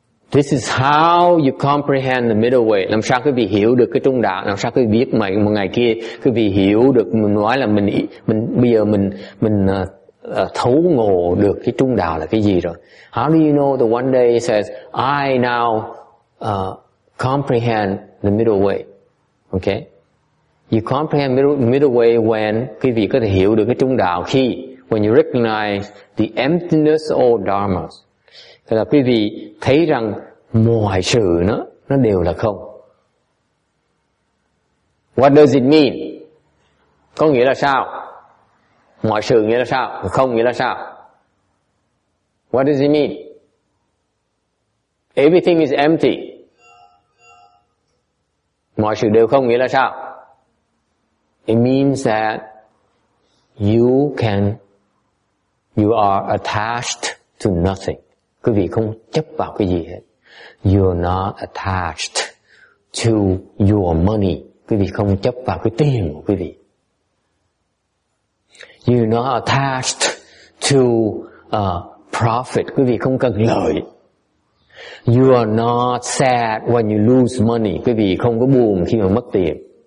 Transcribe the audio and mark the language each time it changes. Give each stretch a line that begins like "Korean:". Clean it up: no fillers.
English: This is how you comprehend the middle way.
Vietnamese: Làm sao quý vị hiểu được cái trung đạo? Làm sao quý vị biết mà một ngày kia quý vị hiểu được, mình nói là mình bây giờ mình thấu ngộ được cái trung đạo là cái gì rồi?
English: How do you know the one day it says I now comprehend the middle way? Okay? You comprehend middle way when
Vietnamese: quý vị có thể hiểu được cái trung đạo khi
English: when you recognize the emptiness of dharmas.
Vietnamese: Thế là quý vị thấy rằng mọi sự nó đều là không.
English: What does it mean?
Vietnamese: Có nghĩa là sao? Mọi sự nghĩa là sao? Không nghĩa là sao? What does it mean?
English: Everything is empty.
Vietnamese: Mọi sự đều không nghĩa là sao?
English: It means that you are attached to nothing.
Vietnamese: Quý vị không chấp vào cái gì hết.
English: You're not attached to your money.
Vietnamese: Quý vị không chấp vào cái tiền của quý vị.
English: You're not attached to profit.
Vietnamese: Quý vị không cần lợi.
English: You are not sad when you lose money.
Vietnamese: Quý vị không có buồn khi mà mất tiền.